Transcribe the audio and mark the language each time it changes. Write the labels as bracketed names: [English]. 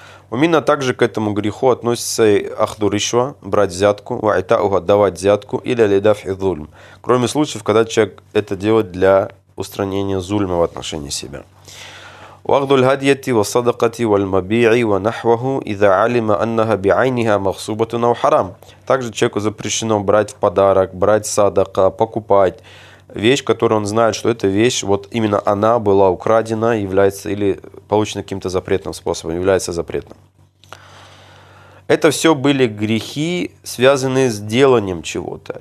[Russian] Умина также к этому греху относится и ахдуришва, брать взятку, ва айтауга, давать взятку, или алидав и зульм. Кроме случаев, когда человек это делает для устранения зульма в отношении себя. [Arabic] وأخذ الهدية والصدقة والمبيع ونحوه إذا علم أنها بعينها مغصوبة أو حرام. [Russian] Также человеку запрещено брать в подарок, брать садака, покупать вещь, которую он знает, что эта вещь, вот именно она была украдена, является или получена каким-то запретным способом, является запретным. Это все были грехи, связанные с деланием чего-то.